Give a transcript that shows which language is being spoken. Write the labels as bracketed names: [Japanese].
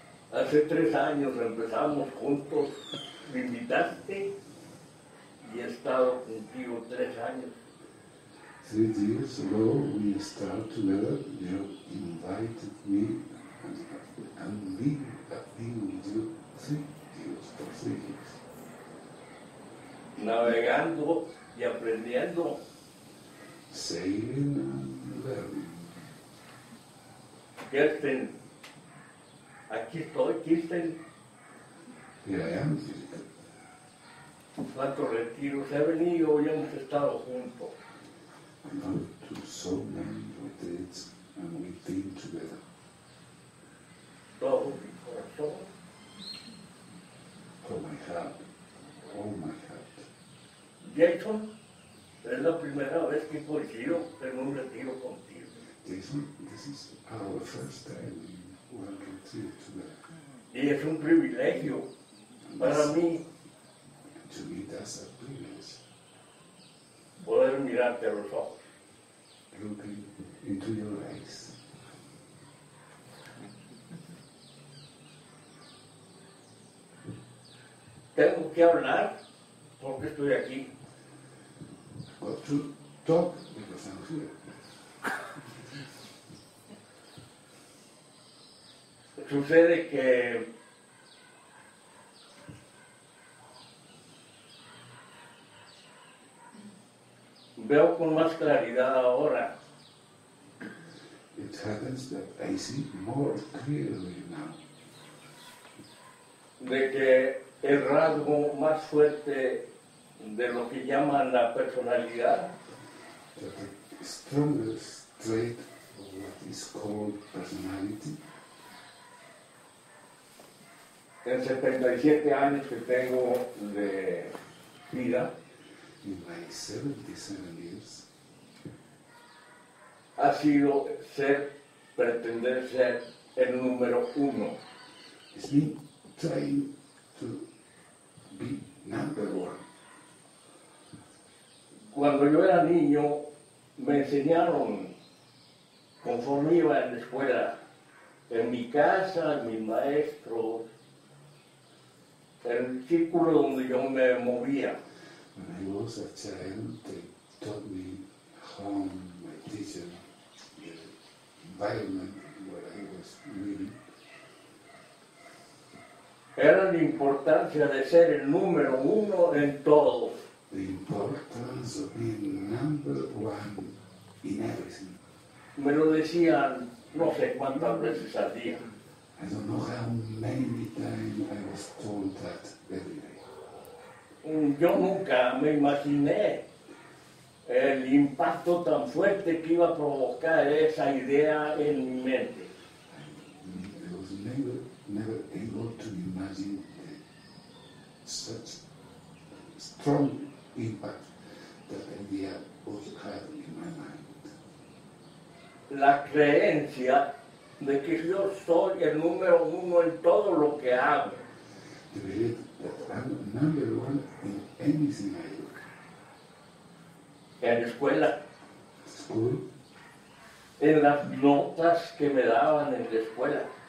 [Spanish] Hace tres años empezamos juntos, me invitaste y he estado contigo tres años. [English] 3 years ago we started together, you invited me and we have been with you 3 years for 3 years. [Spanish] Navegando y aprendiendo. [English] Sailing and learning. [Spanish] Kirsten. Aquí estoy, Kirsten. [English] Here I am, Kirsten. [Spanish] Cuatro retiros he venido y hemos estado juntos. [English] I'm going to so many retreats and we've been together. [Spanish] Todo mi corazón. [English] Con my heart. All my heart. [Spanish] Jason, es la primera vez que coincido en un retiro contigo. [English] Jason, this is our first time in one retreat together. [Spanish] Y es un privilegio para mí. [English] To me, that's a privilege. [Spanish] Poder mirarte a los ojos. [English] Looking into your eyes. [Spanish] Tengo que hablar porque estoy aquí. [English] Got to talk because I'm here. [Spanish] Sucede que veo con más claridad ahora. [English] It happens that I see more clearly now. [Spanish] De que el rasgo más fuerte de lo que llaman la personalidad. [English] That the strongest trait of what is called personality. [Spanish] En 77 años que tengo de vida. [English] In my 77 years, [Spanish] ha sido ser, pretender ser el número uno. [English] It's me trying to be number one. [Spanish] Cuando yo era niño, me enseñaron, conforme iba en la escuela, en mi casa, mi maestro, el círculo donde yo me movía. [English] When I was a child, they taught me home, my teacher, the environment where I was living. [Spanish] Era la importancia de ser el número uno en todo. [English] The importance of being number one in everything. [Spanish] Me lo decían no sé cuántas veces al día. [English] I don't know how many times I was told that every day. [Spanish] Yo nunca me imaginé el impacto tan fuerte que iba a provocar esa idea en mi mente. [English] I was never able to imagine such strong impact that idea was having in my mind. [Spanish] La creencia de que yo soy el número uno en todo lo que hago. [English] That I'm number one in anything I do. [Spanish] En la escuela. [English] School. [Spanish] En las notas que me daban en la escuela.